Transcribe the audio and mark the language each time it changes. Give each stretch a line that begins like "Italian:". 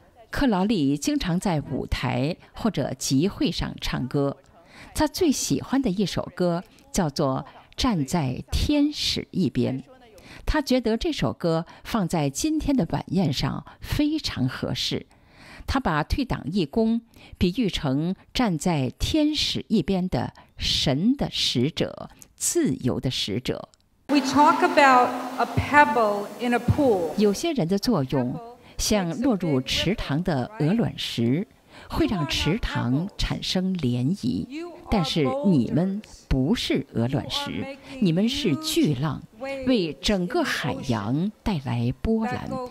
Chinese: 克劳利经常在舞台或者集会上唱歌，他最喜欢的一首歌叫做《站在天使一边》。他觉得这首歌放在今天的晚宴上非常合适。他把退党义工比喻成站在天使一边的神的使者。自由的使者。
English: We talk about a pebble in a pool.
Chinese: 有些人的作用像落入池塘的鹅卵石，会让池塘产生涟漪，但是你们不是鹅卵石，你们是巨浪，为整个海洋带来波澜。